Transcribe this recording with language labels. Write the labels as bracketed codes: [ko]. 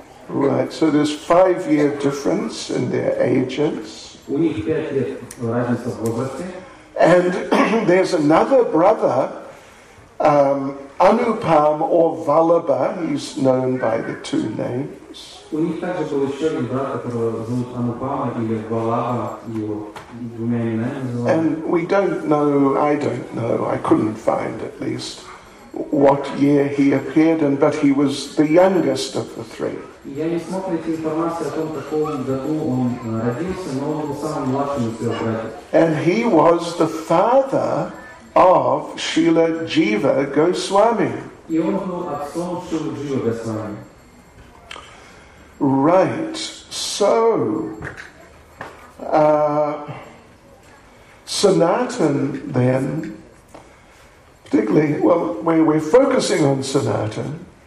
[en] Right, so there's 5-year difference in their ages. [ru] У них 5 лет разница в возрасте. [en] And there's another brother, Anupam or Vallabha, he's known by the two names. [ru] У них также был еще один брат, которого зовут Анупама или Валлабха, его двумя именами. [en] And we don't know, I don't know, I couldn't find at least, what year he appeared in, but he was the youngest of the three. [ru] Я не смог найти информацию о том, в каком году он родился, но он был самым младшим из трех братьев. [en] And he was the father of Srila Jiva Goswami. [ru] И он был отцом Srila Jiva Goswami. [en] Right, so Sanatan then, particularly, well, we're focusing on Sanatan.